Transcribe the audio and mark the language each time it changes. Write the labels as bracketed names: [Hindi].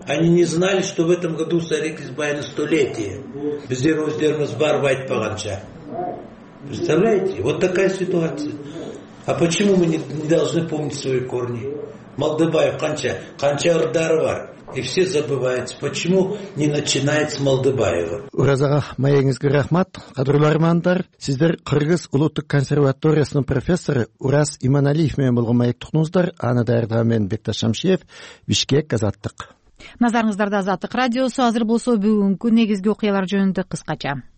[Russian] Они не знали, что в этом году Сайра Кийизбаеванын столетие. [Kyrgyz] Биздер өздөрүбүз барып айтпаганча. [Russian] Представляете? Вот такая ситуация. А почему мы не должны помнить свои корни? [Kyrgyz] Малдыбаев канча, канча ырдары бар. [Russian] И все забываются, почему не начинает с Малдыбаева. [Kyrgyz] Уразага маегиңизге рахмат, кадырлуу армандар. Сиздер Кыргыз улуттук консерваториясынын профессору Урас Иманалиев менен болгон маектуктуңуздар. Аны даярдаган мен Бекташ Шамшиев, Бишкек Азаттык. Назарыңыздарда Азаттык радиосу. Азыр болсо бүгүнкү негизги окуялар жөнүндө кыскача.